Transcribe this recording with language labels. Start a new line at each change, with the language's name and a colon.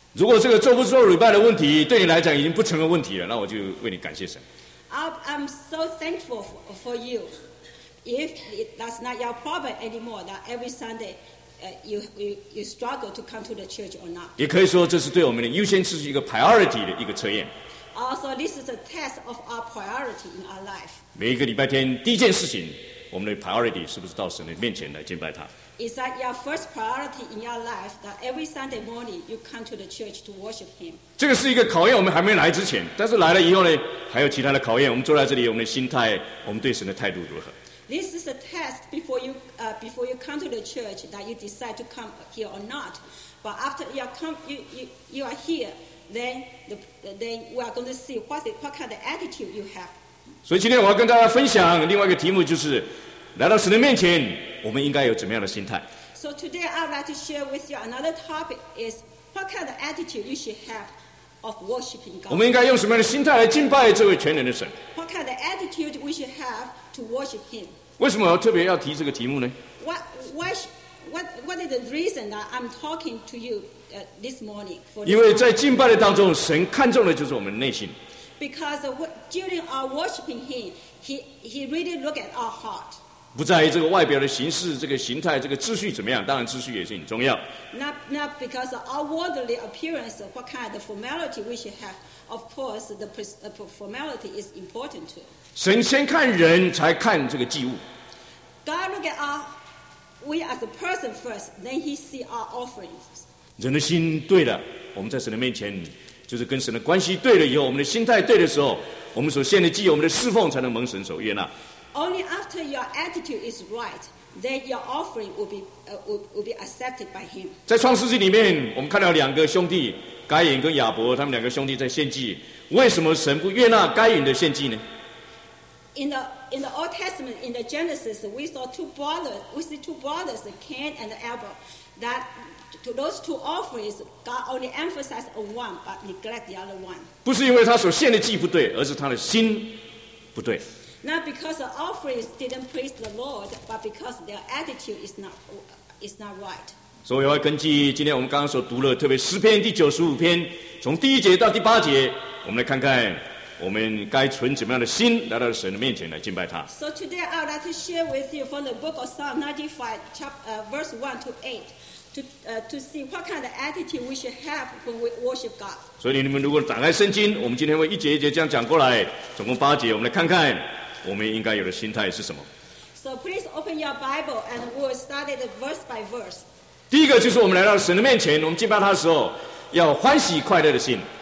Chinese: 如果这个做不做礼拜的问题对你来讲已经不成为问题了，那我就为你感谢神。
English: I'm so thankful for you. If that's not your problem anymore, that every Sunday, you struggle to come to the church or not.
Chinese: 也可以说这是对我们的优先次序一个 priority 的一个测验。
English: Also, this is a test of our priority in our life.
Chinese: 每一个礼拜天第一件事情，我们的 priority 是不是到神的面前来敬拜他
English: ？Is that your first priority in your life? That every Sunday morning you come to the church to worship Him?
Chinese: 这个是一个考验，我们还没来之前，但是来了以后呢，还有其他的考验。我们坐在这里，我们的心态，我们对神的态度如何？
English: This is a test before you come to the church that you decide to come here or not. But after you are here, then we are going to see what kind of attitude you have.
Chinese: 所以今天我要跟大家分享另外一个题目，就是来到神的面前，我们应该有怎么样的心态。
English: So today I'd like to share with you another topic is what kind of attitude you should have of worshiping God.
Chinese: 我们应该用什么样的心态来敬拜这位全能的神
English: ？What kind of attitude we should have? To worship him.
Chinese: 为什么我特别要提这个题目呢
English: what is the reason that I'm talking to you this morning?
Chinese: 因为在敬拜的当中，神看重的就是我们的内心。
English: Because during our worshiping him, he really look at our heart.
Chinese: 不在于这个外表的形式、这个形态、这个秩序怎么样，当然秩序也是很重要。
English: Not because of our worldly appearance, what kind of formality we should have. Of course, the formality is important too.
Chinese: 神先看人，才看这个祭物。
English: God look at we as a person first, then He see our offerings.
Chinese: 人的心对了，我们在神的面前，就是跟神的关系对了以后，我们的心态对的时候，我们所献的祭，我们的侍奉才能蒙神所悦纳。
English: Only after your attitude is right, then your offering will be accepted by Him.
Chinese: 在创世纪里面，我们看到两个兄弟，该隐跟亚伯，他们两个兄弟在献祭。为什么神不悦纳该隐的献祭呢？
English: In the Old Testament, in the Genesis, we see two brothers, Cain and Abel. That to those two offerings, God only emphasized on one, but neglect the other one.
Chinese: 不是因为他所献的祭不对，而是他的心不对。
English: Not because the offerings didn't please the Lord, but because their attitude is not right.
Chinese: 所以我要根据今天我们刚刚所读的，特别诗篇第95篇，从第一节到第八节，我们来看看。我们该存怎么样的心来到神的面前来敬拜他
English: ？So today I'd like to share with you from the book of Psalm 95, chapter verse 1 to 8, to see what kind of attitude we should have when we worship God.
Chinese: 所以你们如果打开圣经，我们今天会一节一节这样讲过来，总共八节，我们来看看我们应该有的心态是什么。
English: So please open your Bible and we'll start it verse by verse.
Chinese: 第一个就是我们来到神的面前，我们敬拜他的时候要欢喜快乐的心。